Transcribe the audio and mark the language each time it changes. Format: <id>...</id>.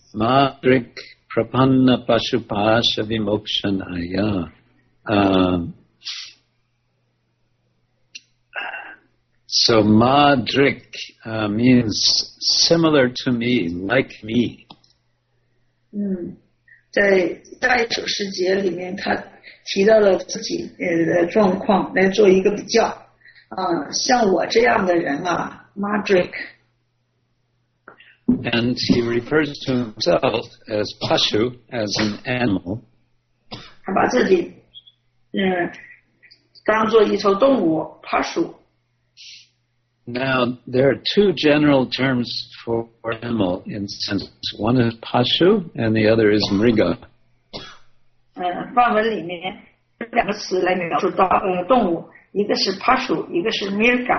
<sa>Madrik prapanna pashupasha vimokshanaya.</sa> <en>So madrik means similar to me, like me.</en> <zh>在大一首诗节里面他提到了自己的状况来做一个比较。像我这样的人啊 ,Madrik.</zh> <en>And he refers to himself as Pashu, as an animal.</en> <zh>他把自己当做一头动物 ,Pashu.</zh> <en>Now, there are two general terms for animal in Sanskrit. One is Pashu, and the other is Mriga.</en> <zh>范文里面有两个词来描述动物。一个是 Pashu, 一个是 Mirga.</zh>